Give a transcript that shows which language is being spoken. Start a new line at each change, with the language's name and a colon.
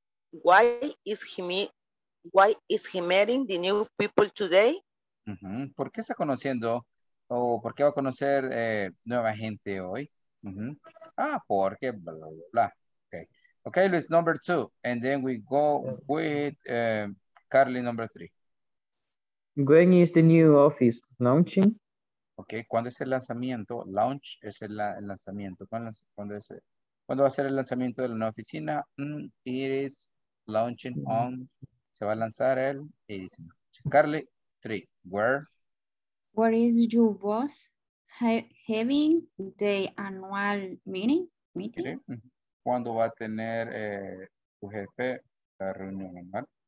English: Why is he meeting the new people today? Uh-huh.
Spanish: ¿Por qué está conociendo o por qué va a conocer nueva gente hoy? Uh-huh. Ah, porque bla, bla, bla.
English: Okay, Luis, number two, and then we go with Carly, number three. When is the new office launching?
Spanish: Okay, ¿cuándo es el lanzamiento? Launch es el lanzamiento. ¿Cuándo va a ser el lanzamiento de la nueva oficina?
English: It is launching on,
Spanish: se va a lanzar el,
English: is, Carly, three, where? Where is your boss having the annual meeting? Okay.
Spanish: ¿Cuándo va a tener tu jefe la reunión anual?